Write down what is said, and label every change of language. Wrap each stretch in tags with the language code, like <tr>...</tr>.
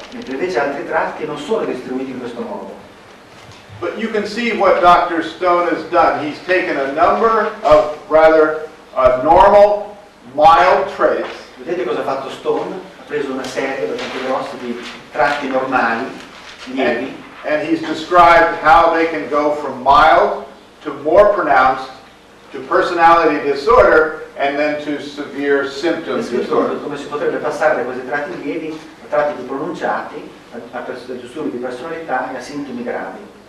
<it>Mentre invece altri tratti non sono distribuiti in questo modo.</it> <en>But you can see what Dr. Stone has done. He's taken a number of rather normal, mild traits.</en> <it>Vedete cosa ha fatto Stone? Ha preso una serie di tratti normali, lievi.</it> <en>And he's described how they can go from mild to more pronounced to personality disorder. And then to severe symptoms.</en> <it>Come si potrebbe passare da questi tratti lievi a tratti più pronunciati, a disturbi di personalità e a sintomi gravi.</it>